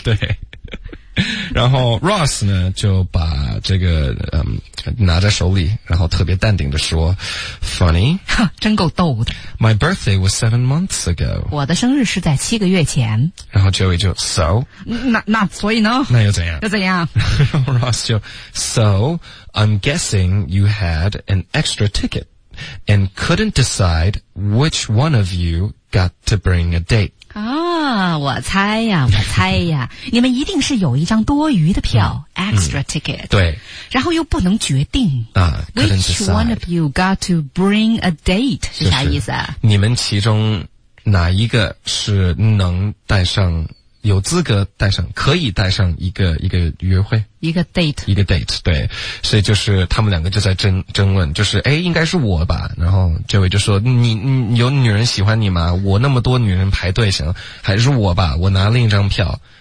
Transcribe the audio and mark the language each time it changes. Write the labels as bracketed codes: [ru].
[zh] 对。然后 Ross 呢就把这个拿在手里，然后特别淡定的说 ， [en] Funny， [zh] 哈，真够逗的。 [en] My birthday was 7 months ago。 [zh] 我的生日是在七个月前。然后 Joey 就 So，那所以呢？那又怎样？又怎样？然后 Ross 就 [en] So I'm guessing you had an extra ticket and couldn't decide which one of you got to bring a date。 [zh] 啊，我猜呀，我猜呀，你们一定是有一张多余的票 [en] extra ticket。 [zh] 对，然后又不能决定啊。 [en] Which one of you got to bring a date？ [zh] 是啥意思啊？你们其中哪一个是能带上，有资格带上，可以带上一个约会，一个 date，一个 date。对，所以就是他们两个就在争论，就是诶应该是我吧。然后这位就说你有女人喜欢你吗？我那么多女人排队，行，还是我吧，我拿另一张票。